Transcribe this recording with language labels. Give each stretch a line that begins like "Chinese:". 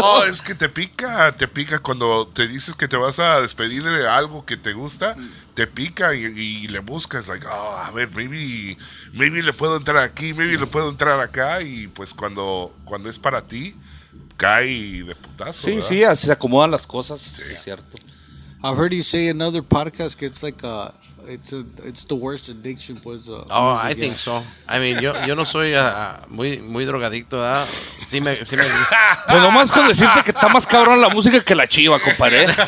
Spanish: No, es que te pica cuando te dices que te vas a despedir de algo que te gusta, te pica y le buscas, like, oh, a ver, maybe le puedo entrar aquí, maybe le puedo entrar acá, y pues cuando es para ti, cae de putazo. Sí, ¿verdad? Sí, así se acomodan las cosas, sí, es cierto.
English: I've heard you say in other podcasts it's like it's the worst addiction was. Oh, music, I think so. I mean,
Spanish: yo no soy muy muy drogadicto, ¿verdad? Sí me. Pues nomás con decirte que está más cabrón la música que la chiva, compadre.